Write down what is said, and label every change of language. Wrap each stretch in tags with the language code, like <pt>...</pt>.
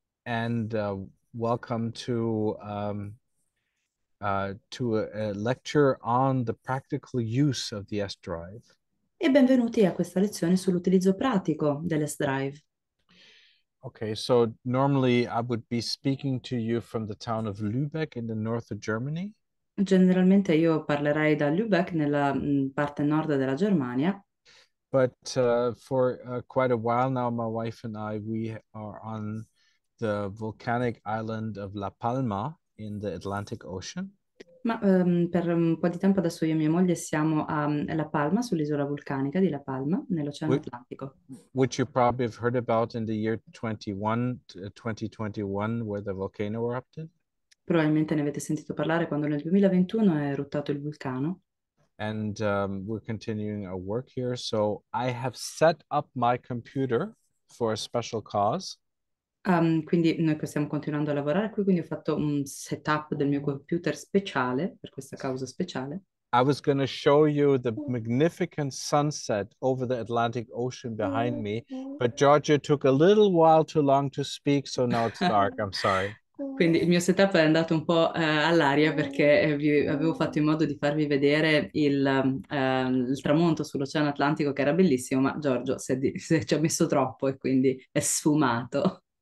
<en>And welcome to a lecture on the practical use of the S drive.</en> <it>Benvenuti a questa lezione sull'utilizzo pratico dell'S-Drive.</it> <en>Okay, so normally I would be speaking to you from the town of Lübeck in the north of Germany.</en> <it>Generalmente io parlerei da Lübeck, nella parte nord della Germania.</it> <en>But for quite a while now, my wife and I, we are on the volcanic island of La Palma in the Atlantic Ocean.</en> <it>Ma per un po' di tempo adesso io e mia moglie siamo a La Palma, sull'isola vulcanica di La Palma, nell'Oceano Atlantico.</it> <en>Which you probably have heard about in the year 2021, where the volcano erupted.</en> <it>Probabilmente ne avete sentito parlare quando nel 2021 è eruttato il vulcano.</it> <en>And we're continuing our work here. So I have set up my computer for a special cause.</en> <it>Quindi noi stiamo continuando a lavorare qui, quindi ho fatto un setup del mio computer speciale per questa causa speciale.</it> <en>I was going to show you the magnificent sunset over the Atlantic Ocean behind me, but Georgia took a little while too long to speak, so now it's dark. I'm sorry.</en> <it>Quindi il mio setup è andato un po' all'aria perché avevo fatto in modo di farvi vedere il tramonto sull'Oceano Atlantico che era bellissimo, ma Giorgio se ci ha messo troppo e quindi è sfumato.</it>